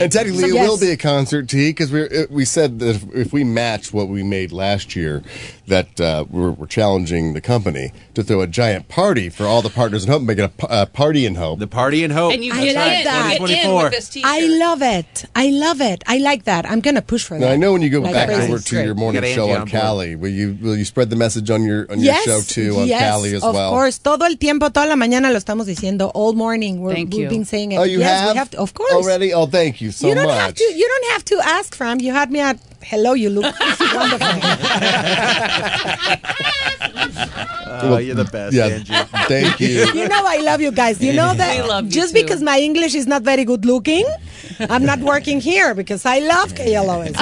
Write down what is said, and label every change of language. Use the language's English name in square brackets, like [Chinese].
[English] And technically, it will be a concert tee because we said that if we match what we made last year, that we're challenging the company to throw a giant party for all the partners in hope, make it a party in hope. The party in hope. And you like that. Get in with this t-shirt. I love it. I love it. I like that. I'm going to push for that. Now, I know when you go back over to your morning show on Cali, will you spread the message on your show too on Cali as well? Of course. [Spanish] Todo el tiempo, toda la mañana lo estamos diciendo. [English] All morning. We've been saying it. Oh, you have? We have to, of course. Already? Oh, thank you so much. You don't have to ask, Fram. You had me at hello, you look wonderful. You're the best, yeah. Angie. Thank you. You know I love you guys. You know that just because my English is not very good looking, I'm not working here because I love KLOS.